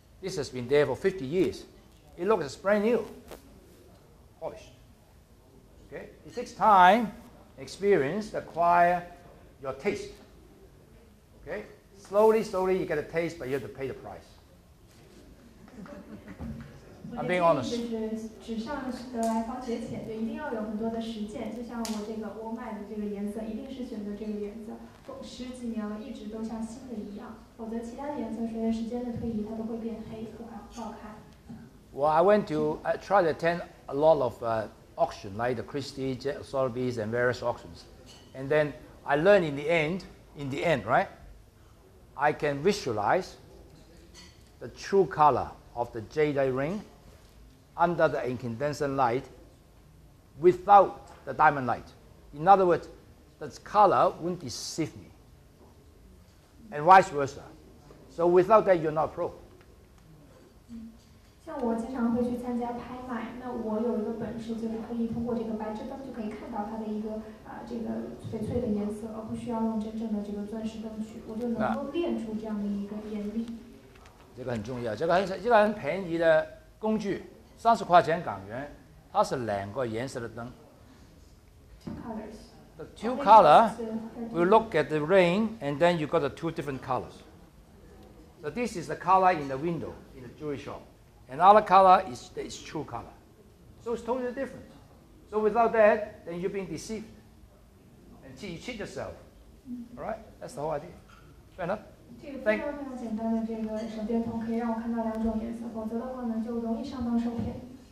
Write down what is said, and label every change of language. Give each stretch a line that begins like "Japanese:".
English: This has been there for 50 years. It looks brand new, polished. Okay? It takes time, experience, acquire your taste. Okay? Slowly, slowly, you get a taste, but you have to pay the price. I'm being honest.
Chinese: 就是纸上得来方觉浅，就一定要有很多的实践。就像我这个我买的这个颜色，一定是选择这个颜色，十几年了，一直都像新的一样。否则，其他的颜色随着时间的推移，它都会变黑，不好看。
English: Well, I went to, I tried to attend a lot of auction, like the Christie, Sotheby's, and various auctions. And then I learned in the end, right? I can visualize the true color. Of the jadeite ring under the incandescent light without the diamond light. In other words, the color won't deceive me. And vice versa. So without that, you're not a pro.
Chinese: 像我经常会去参加拍卖，那我有一个本事，就是可以通过这个白炽灯就可以看到它的一个这个翡翠的颜色，而不需要用真正的这个钻石灯去，我就能够练出这样的一个眼力。这个很重要，这个很便宜的工具，30块钱港元，它是两个颜色的灯。
English: The two colors will look at the ring, and then you got the two different colors. So this is the color in the window in the jewelry shop, and other color is the true color. So it's totally different. So without that, then you're being deceived, and cheat yourself. All right, that's the whole idea. Fair enough.
Chinese: 这个非常非常简单的这个手电筒可以让我看到两种颜色，否则的话呢就容易上当受骗。